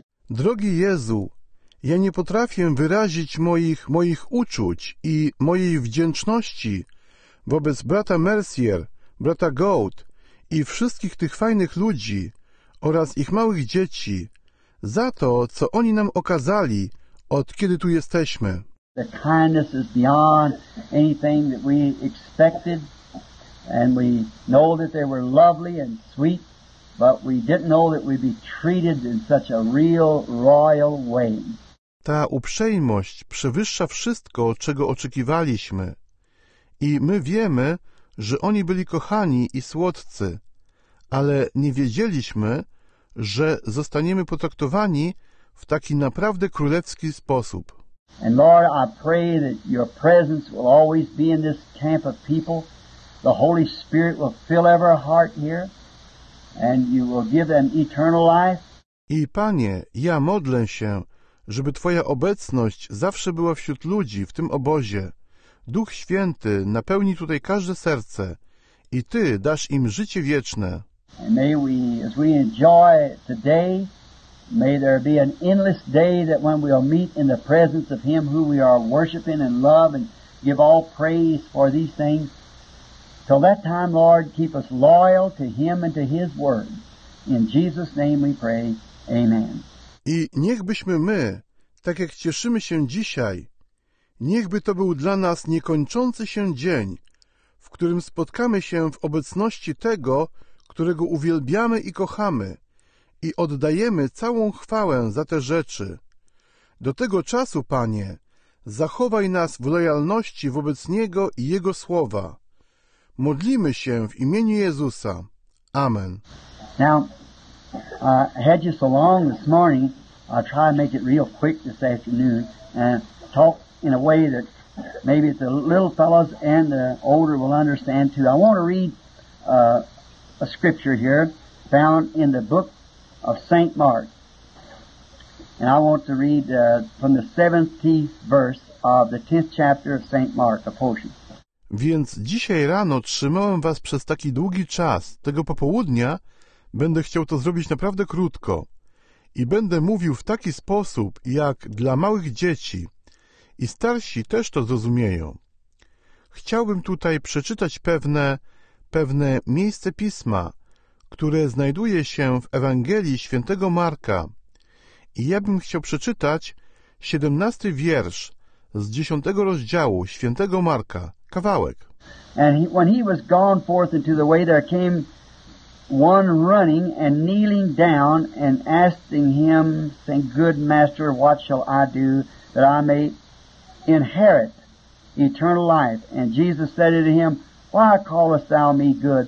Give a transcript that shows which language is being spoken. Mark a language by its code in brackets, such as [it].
[pl] Drogi Jezu, ja nie potrafię wyrazić moich uczuć i mojej wdzięczności wobec brata Mercier, brata Gold i wszystkich tych fajnych ludzi oraz ich małych dzieci za to, co oni nam okazali, od kiedy tu jesteśmy. [en] The kindness is beyond anything that we expected, and we know that they were lovely and sweet. But we didn't know that we'd be treated in such a real royal way. [pl] Ta uprzejmość przewyższa wszystko, czego oczekiwaliśmy. I my wiemy, że oni byli kochani i słodcy, ale nie wiedzieliśmy, że zostaniemy potraktowani w taki naprawdę królewski sposób. [en] And Lord, I pray that your presence will always be in this camp of people. The Holy Spirit will fill every heart here. And you will give them eternal life. [pl] I Panie, ja modlę się, żeby Twoja obecność zawsze była wśród ludzi w tym obozie. Duch Święty napełni tutaj każde serce i Ty dasz im życie wieczne. [en] And may we, as we enjoy today, may there be an endless day that when we'll meet in the presence of Him who we are worshiping and love and give all praise for these things. Till that time, Lord, keep us loyal to Him and to His Word. In Jesus' name we pray. Amen. [pl] I niech byśmy my, tak jak cieszymy się dzisiaj, niech by to był dla nas niekończący się dzień, w którym spotkamy się w obecności Tego, którego uwielbiamy i kochamy, i oddajemy całą chwałę za te rzeczy. Do tego czasu, Panie, zachowaj nas w lojalności wobec Niego i Jego Słowa. Modlimy się w imieniu Jezusa. Amen. [en] Now, I had you so long this morning, I'll try to make it real quick this afternoon and talk in a way that maybe the little fellows and the older will understand too. I want to read a scripture here found in the book of St. Mark. And I want to read from the 17th verse of the 10th chapter of St. Mark, a portion. [pl] Więc dzisiaj rano trzymałem was przez taki długi czas. Tego popołudnia będę chciał to zrobić naprawdę krótko. I będę mówił w taki sposób, jak dla małych dzieci. I starsi też to zrozumieją. Chciałbym tutaj przeczytać pewne miejsce pisma, które znajduje się w Ewangelii świętego Marka. I ja bym chciał przeczytać 17 wiersz z 10 rozdziału świętego Marka. Kawałek. [en] And he, when he was gone forth into the way, there came one running and kneeling down and asking him, saying, Good master, what shall I do that I may inherit eternal life? And Jesus said unto him, Why callest thou me good?